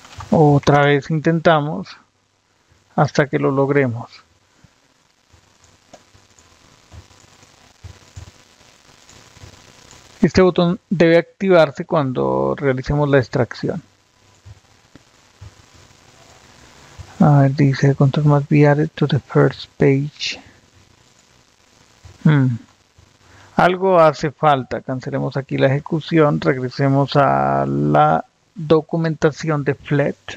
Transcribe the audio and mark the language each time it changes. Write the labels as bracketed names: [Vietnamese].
[Spanish] Otra vez intentamos hasta que lo logremos. Este botón debe activarse cuando realicemos la extracción. A ver, dice [English] control must be added to the first page. [Spanish] Algo hace falta. Cancelemos aquí la ejecución. Regresemos a la documentación de Flat.